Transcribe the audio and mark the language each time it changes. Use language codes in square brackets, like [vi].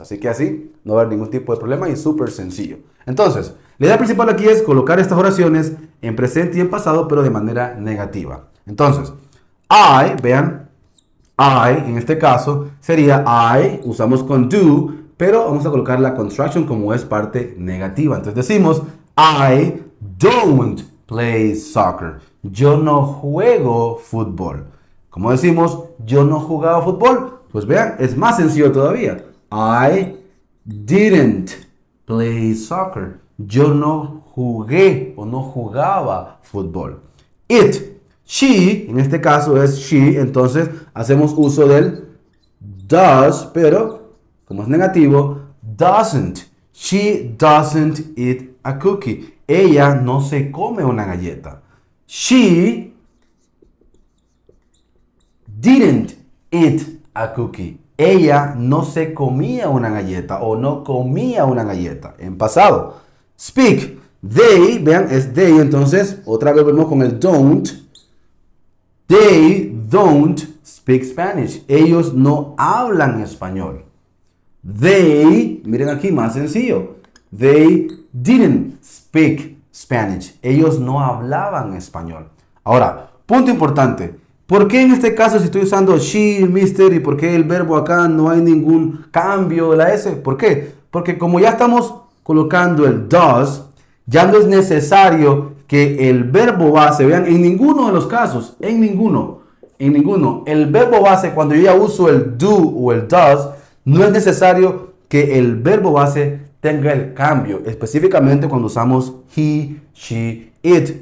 [es] Así que así no va a haber ningún tipo de problema y súper sencillo. Entonces, la idea principal aquí es colocar estas oraciones en presente y en pasado, pero de manera negativa. Entonces, I, vean, I en este caso sería I, usamos con do, pero vamos a colocar la construction como es parte negativa. Entonces decimos, [en] I don't play soccer. [es] Yo no juego fútbol. ¿Cómo decimos yo no jugaba fútbol? Pues vean, es más sencillo todavía. [en] I didn't play soccer. [es] Yo no jugué o no jugaba fútbol. It, she, en este caso es she, entonces hacemos uso del does, pero como es negativo, doesn't. [en] She doesn't eat a cookie. [es] Ella no se come una galleta. [en] She didn't eat a cookie. [es] Ella no se comía una galleta o no comía una galleta en pasado. Speak. They, vean, es they, entonces otra vez vemos con el don't. [en] They don't speak Spanish. [es] Ellos no hablan español. They, miren aquí, más sencillo. [en] They didn't speak Spanish. [es] Ellos no hablaban español. Ahora, punto importante. ¿Por qué en este caso si estoy usando she, mister, y por qué el verbo acá no hay ningún cambio de la S? ¿Por qué? Porque como ya estamos colocando el does, ya no es necesario que el verbo base, vean, en ninguno de los casos, en ninguno, el verbo base, cuando yo ya uso el do o el does, no es necesario que el verbo base tenga el cambio, específicamente cuando usamos he, she, it.